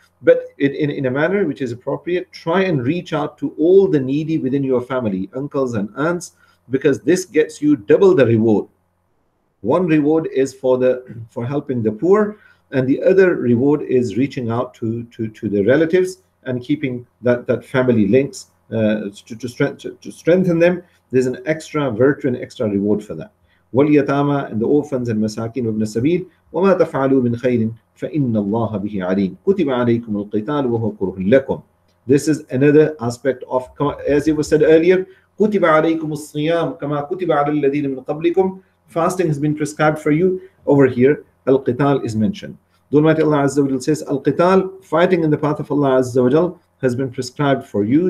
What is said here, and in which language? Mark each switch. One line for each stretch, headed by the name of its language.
English: But in a manner which is appropriate, try and reach out to all the needy within your family, uncles and aunts, because this gets you double the reward. One reward is for helping the poor, and the other reward is reaching out to the relatives and keeping that family links. To strengthen them, there's an extra virtue and extra reward for that.
Arabic: وَالْيَتَامَى
English: and the orphans and
Arabic: masakin وَابْنَ السَّبِيلِ وَمَا تَفْعَلُوا مِنْ خَيْرٍ فَإِنَّ اللَّهَ بِهِ عَلِيمٌ كُتِبَ عَلَيْكُمُ الْقِتَالُ وَهُوَ كُرْهٌ لَكُمْ.
English: This is another aspect of, as it was said earlier,
Arabic: كُتِبَ عَلَيْكُمُ الصِّيَامُ كَمَا كُتِبَ عَلَى الَّذِينَ مِنْ قَبْلِكُمْ.
English: Fasting has been prescribed for you. Over here, al-qital is mentioned. The Almighty Allah Azza wa Jal says, al-qital, fighting in the path of Allah Azza wa Jal, has been prescribed for you.